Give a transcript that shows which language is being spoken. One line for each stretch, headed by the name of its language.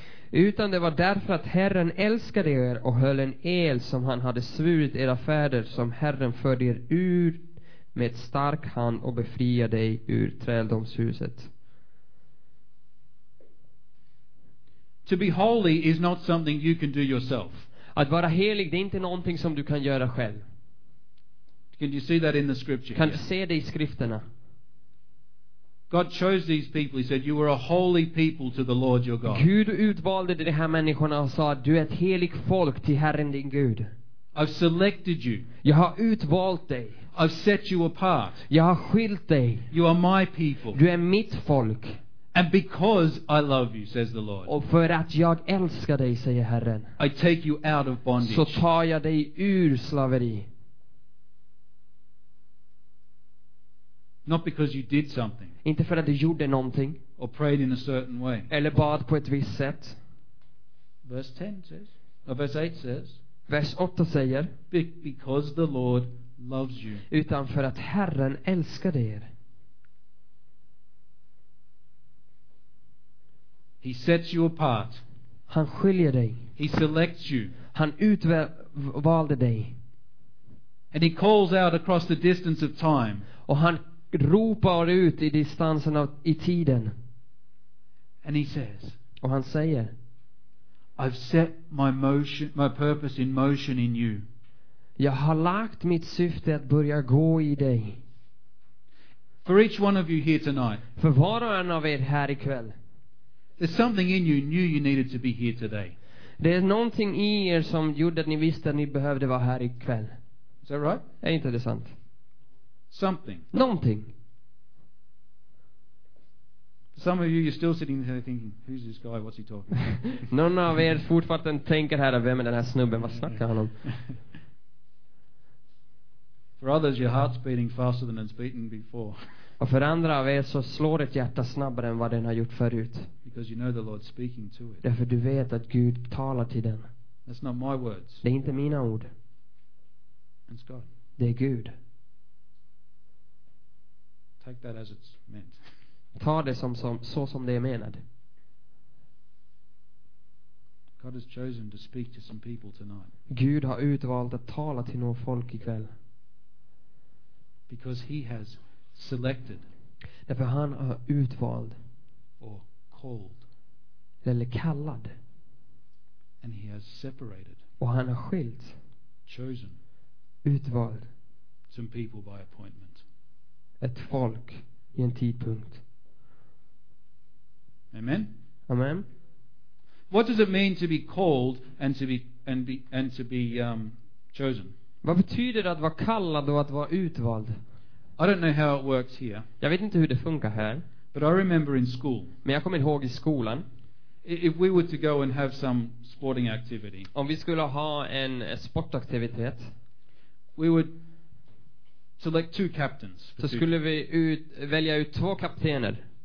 Swedish: Utan det var därför att Herren älskade er och höll en el som han hade svurit era fäder, som Herren förde er ur med stark hand och befriade dig ur träldomshuset.
English: To be holy is not something you can do yourself.
Swedish: Att vara helig, det är inte någonting som du kan göra själv.
English: Can you see that in the scripture?
Swedish: Kan du se det i skrifterna?
English: God chose these people. He said, "You are a holy people to the Lord your God."
Swedish: Gud utvalde de här människorna och sa, du är ett heligt folk till Herren din Gud.
English: I've selected you.
Swedish: Jag har utvalt dig.
English: I've set you apart.
Swedish: Jag har skilt dig.
English: You are my people.
Swedish: Du är mitt folk.
English: And because I love you, says the Lord.
Swedish: Och för att jag älskar dig, säger Herren.
English: I take you out of bondage.
Swedish: Så tar jag dig ur slaveri.
English: Not because you did something.
Swedish: Inte för att du gjorde någonting.
English: Or prayed in a certain way.
Swedish: Eller bad på ett visst sätt.
English: Verse 10 says. Or verse 8 says.
Swedish: Vers 8 säger.
English: Because the Lord loves you.
Swedish: Utan för att Herren älskar er.
English: He sets you apart.
Swedish: Han skiljer dig.
English: He selects you.
Swedish: Han utvalde dig.
English: And he calls out across the distance of time.
Swedish: Och han ropar ut i distansen av i tiden.
English: And he says,
Swedish: och han säger,
English: I've set my purpose in motion in you.
Swedish: Jag har lagt mitt syfte att börja gå i dig.
English: For each one of you here tonight.
Swedish: För var och en av er här ikväll.
English: There's something in you knew you needed to be here today.
Swedish: Det är någonting i er som gjorde att ni visste att ni behövde vara här ikväll.
English: Is that right?
Swedish: Är inte det sant?
English: Something.
Swedish: Någonting.
English: Some of you, you're still sitting there thinking, who's this guy? What's he talking about?
Swedish: Någon av er fortfarande tänker här, vem är den här snubben? Vad snackar han om?
English: For others, your heart's beating faster than it's beaten before.
Swedish: Och för andra av er så slår ett hjärta snabbare än vad den har gjort förut.
English: Because you know the Lord's speaking to it.
Swedish: Därför du vet att Gud talar till den.
English: That's not my words.
Swedish: Det är inte mina ord.
English: It's God.
Swedish: Det är Gud.
English: Take that as it's meant.
Swedish: Ta det som det är menat.
English: God has chosen to speak to some people tonight.
Swedish: Gud har utvalt att tala till några folk ikväll.
English: Because he has selected.
Swedish: Därför han har utvalt.
English: Or called.
Swedish: Eller kallad.
English: And he has separated.
Swedish: Och han har skilt.
English: Chosen.
Swedish: Utvalt.
English: Some people by appointment.
Swedish: Ett folk i en tidpunkt.
English: Amen.
Swedish: Amen.
English: What does it mean to be called and to be chosen?
Swedish: Vad betyder det att vara kallad och att vara utvald?
English: I don't know how it works here.
Swedish: Jag vet inte hur det funkar här.
English: But I remember in school.
Swedish: Men jag kommer ihåg i skolan.
English: If we were to go and have some sporting activity.
Swedish: Om vi skulle ha en sportaktivitet.
English: We would select two captains.
Swedish: Så skulle vi välja ut två kaptener.